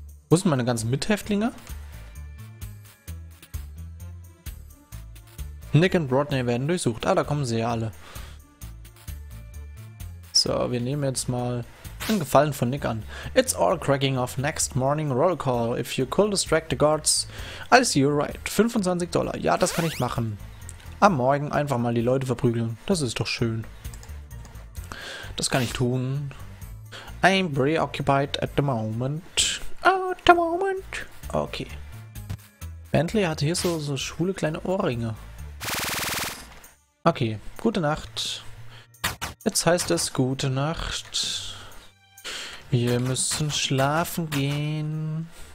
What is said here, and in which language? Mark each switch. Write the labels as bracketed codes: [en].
[de] Wo sind meine ganzen Mithäftlinge? Nick und Rodney werden durchsucht. Ah, da kommen sie ja alle. So, wir nehmen jetzt mal einen Gefallen von Nick an. [en] It's all cracking off next morning roll call. If you could distract the guards, I'll see you right. [de] $25. Ja, das kann ich machen. Am Morgen einfach mal die Leute verprügeln. Das ist doch schön. Das kann ich tun. [en] I'm preoccupied at the moment. At the moment. Okay. [de] Bentley hatte hier so schwule kleine Ohrringe. Okay, gute Nacht. Jetzt heißt es gute Nacht. Wir müssen schlafen gehen.